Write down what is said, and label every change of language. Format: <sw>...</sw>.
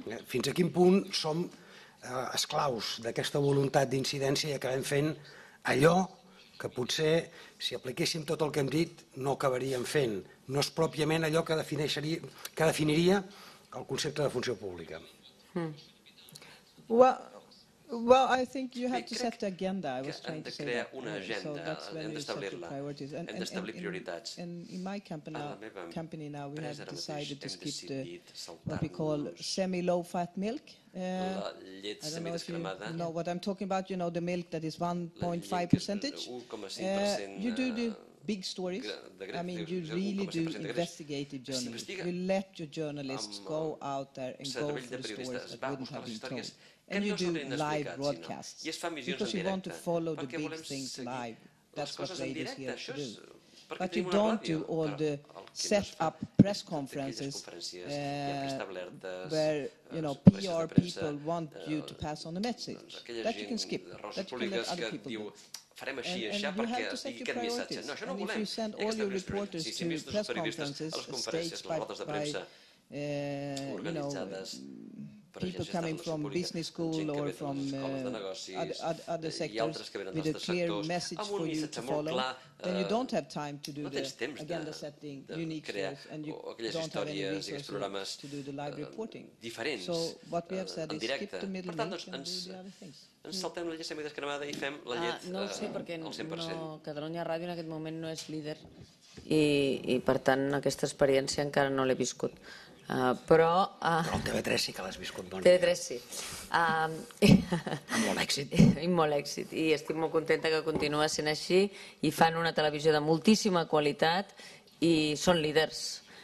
<ca>Fins a quin punt som esclaus d'aquesta voluntat d'incidència i acabem fent allò que potser, si apliquéssim tot el que hem dit, no acabaríem fent. No és pròpiament allò que definiria el concepte de funció pública.</ca> <en>Well, I think you have to set the agenda, I was trying to say that, so that's when you set your priorities, and in my company now we have decided to skip the what we call semi-low-fat milk. I don't know if you know what I'm talking about, you know, the milk that is 1.5%. You do the big stories, I mean, you really do investigative journalism. You let your journalists go out there and go for the stories that wouldn't have been told. And you do live broadcasts, because you want to follow the big things live. That's what radio is here to do. But you don't do all the set-up press conferences where, you know, PR people want you to pass on the message. That you can skip. That you can let other people do.</en> <ca>Farem així, això, perquè digui aquest missatge. No, això no volem.</ca> <en>If you send all your reporters to press conferences, staged by, you know, people coming from business school or from other sectors with a clear message for you to follow, then you don't have time to do the agenda setting, unique stories, and you don't have any resources to do the live reporting. So what we have said is skip the middle and do the other things.</en> <ca>Ens saltem la llet semidescremada i fem la llet al 100%. No ho sé, perquè Catalunya Ràdio en aquest moment no és líder i per tant aquesta experiència encara no l'he viscut. Però el TV3 sí que l'has viscut. TV3 sí. Amb molt èxit. I molt èxit. I estic molt contenta que continua sent així. I fan una televisió de moltíssima qualitat i són líders.</ca>